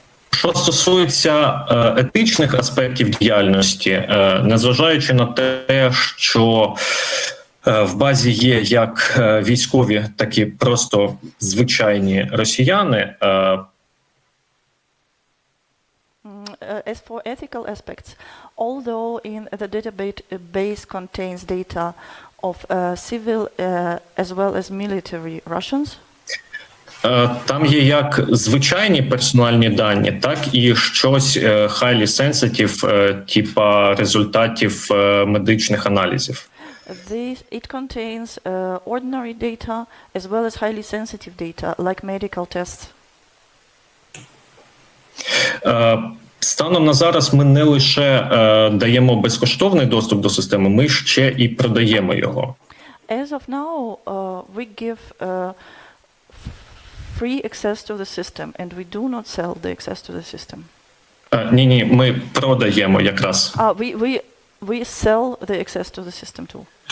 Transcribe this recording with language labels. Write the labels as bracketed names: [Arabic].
[Ukrainian] Що стосується етичних аспектів діяльності, незважаючи на те, що в базі є як військові, так і просто звичайні росіяни. [English] As for ethical aspects, although in the database contains data of civil as well as military Russians, [Ukrainian] там є як звичайні персональні дані, так і щось [English] highly sensitive, [Ukrainian] типа результатів медичних аналізів. [English] It contains ordinary data as well as highly sensitive data, like medical tests. [Ukrainian] Станом на зараз ми не лише даємо безкоштовний доступ до системи, ми ще і продаємо його. [English] As of now, we give free access to the system, and we do not sell the access to the system. [Ukrainian] Ні, ми продаємо якраз. [English] We sell the access to the system too.